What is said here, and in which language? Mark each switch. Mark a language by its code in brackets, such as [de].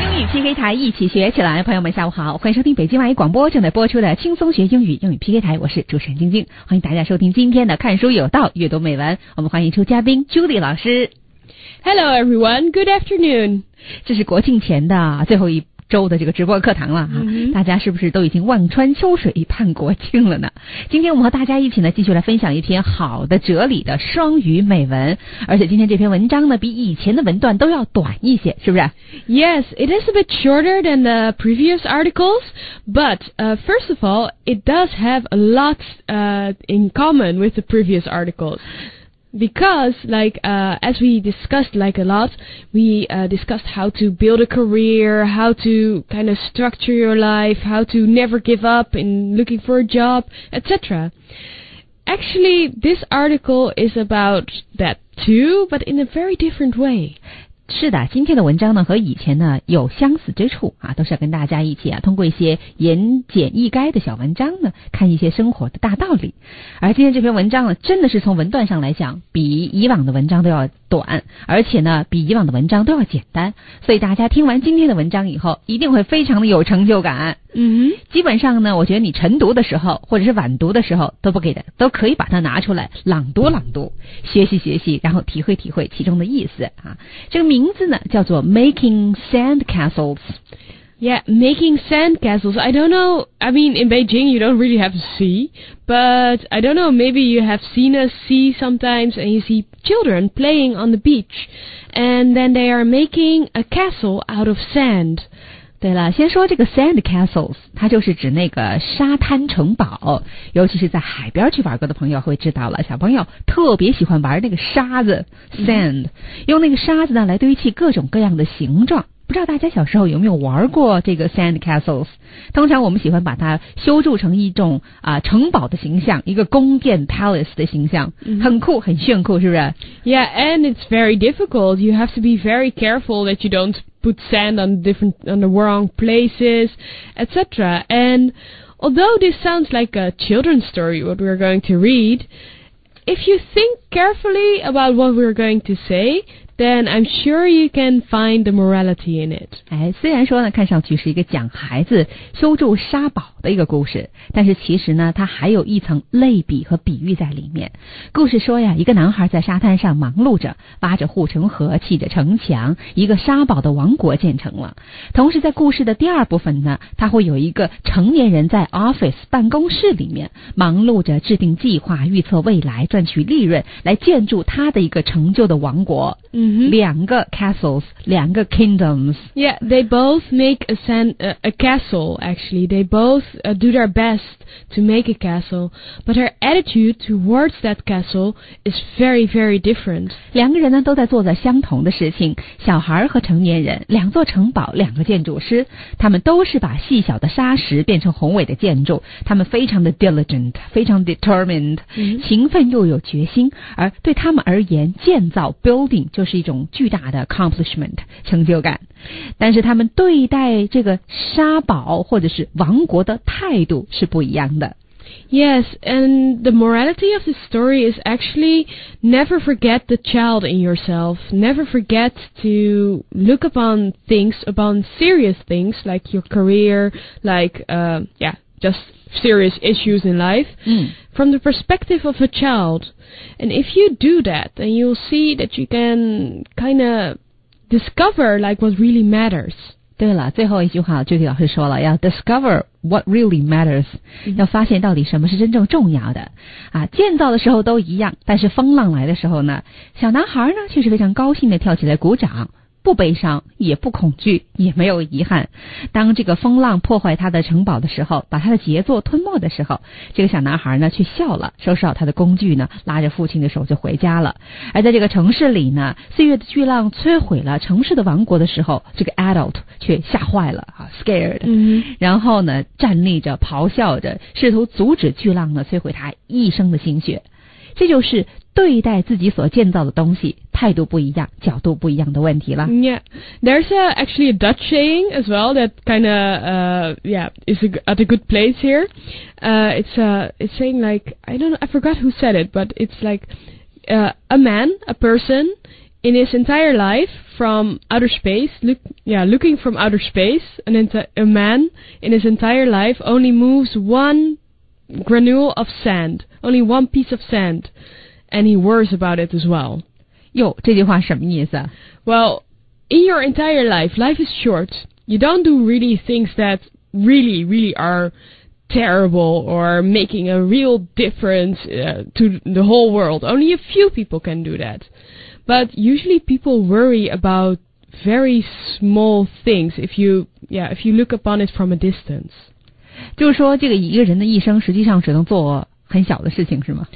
[zh] PK 台一起学起来，朋友们下午好，欢迎收听北京外语广播正在播出的轻松学英语，英语 PK 台，我是主持人晶晶，欢迎大家收听今天的看书有道阅读美文，我们欢迎出嘉宾 Julie 老师。 [en] Hello everyone, good afternoon. [zh] 这是国庆前的最后一周的这个直播课堂了、大家是不是都已经望穿秋水盼国庆了呢？今天我们和大家一起呢继续来分享一篇好的哲理的双语美文，而且今天这篇文章呢比以前的文段都要短一些，是不是？ [en] Yes, it is a bit shorter than the previous articles, but first of all, it does have a lot in common with the previous articles. Because, like, as we discussed, like, a lot, we discussed how to build a career, how to kind of structure your life, how to never give up in looking for a job, etc. Actually, this article is about that too, but in a very different way. [zh] 是的，今天的文章呢和以前呢有相似之处啊，都是要跟大家一起啊通过一些言简意赅的小文章呢看一些生活的大道理。而今天这篇文章呢真的是从文段上来讲比以往的文章都要短，而且呢比以往的文章都要简单，所以大家听完今天的文章以后一定会非常的有成就感。基本上呢我觉得你晨读的时候或者是晚读的时候都不给的都可以把它拿出来朗读朗读，学习学习，然后体会体会其中的意思啊。这个名字呢叫做 Making Sandcastles. [en] Yeah, Making Sandcastles. I don't know, I mean in Beijing you don't really have a sea, but I don't know, maybe you have seen a sea sometimes and you see children playing on the beach and then they are making a castle out of sand. [zh] 对了，先说这个 sand castles，它就是指那个沙滩城堡，尤其是在海边去玩过的朋友会知道了，小朋友特别喜欢玩那个沙子 sand，用那个沙子呢来堆砌各种各样的形状。不知道大家小时候有没有玩过这个 sand castles？通常我们喜欢把它修筑成一种城堡的形象，一个宫殿 palace 的形象，很酷，很炫酷，是不是 [en] ？Yeah, and it's very difficult. You have to be very careful that you don't put sand on the wrong places, etc. And although this sounds like a children's story, what we're going to read, if you think carefully about what we're going to say. Then I'm sure you can find the morality in it. [zh] 哎，虽然说呢，看上去是一个讲孩子修筑沙堡的一个故事，但是其实呢，它还有一层类比和比喻在里面。故事说呀，一个男孩在沙滩上忙碌着，挖着护城河，砌着城墙，一个沙堡的王国建成了。同时，在故事的第二部分呢，他会有一个成年人在 office 办公室里面忙碌着制定计划、预测未来、赚取利润，来建筑他的一个成就的王国。两个 castles, 两个 kingdoms. [en] Yeah, they both make a castle, actually. They both do their best to make a castle. But her attitude towards that castle is very, very different. 两个人呢都在做着相同的事情，小孩和成年人，两座城堡，两个建筑师，他们都是把细小的沙石变成宏伟的建筑，他们非常的 [zh] diligent, [en] 非常 [zh] determined, [en] 勤奋又有决心，而对他们而言，建造 [zh] building [en] 就是一种巨大的 [zh] accomplishment [en] 成就感，但是他们对待这个沙堡或者是王国的态度是不一样的。 Yes, and the morality of the story is actually never forget the child in yourself. Never forget to look upon things, upon serious things like your career, like just serious issues in life, from the perspective of a child. And if you do that, then you'll see that you can kind of discover like what really matters. [zh] 对了，最后一句话就给老师说了，要 discover what really matters、嗯、要发现到底什么是真正重要的啊。建造的时候都一样，但是风浪来的时候呢，小男孩呢却是非常高兴的跳起来鼓掌，不悲伤也不恐惧也没有遗憾。当这个风浪破坏他的城堡的时候，把他的杰作吞没的时候，这个小男孩呢却笑了，收拾好他的工具呢，拉着父亲的手就回家了。而在这个城市里呢，岁月的巨浪摧毁了城市的王国的时候，这个 adult 却吓坏了 scared、嗯、然后呢站立着咆哮着，试图阻止巨浪呢摧毁他一生的心血。这就是对待自己所建造的东西态度不一样、角度不一样的问题了。 [en] Yeah, there's actually a Dutch saying as well that kind of is at a good place here. It's saying like I forgot who said it, but it's like a person in his entire life from outer space looking from outer space, and a man in his entire life only moves one granule of sand, only one piece of sand. And he worries about it as well. [zh] Yo, 这句话什么意思？ [en] Well, in your entire life, life is short. You don't do really things that really, really are terrible or making a real difference to the whole world. Only a few people can do that. But usually people worry about very small things if you look upon it from a distance. [zh] 就是说这个一个人的一生实际上只能做很小的事情是吗？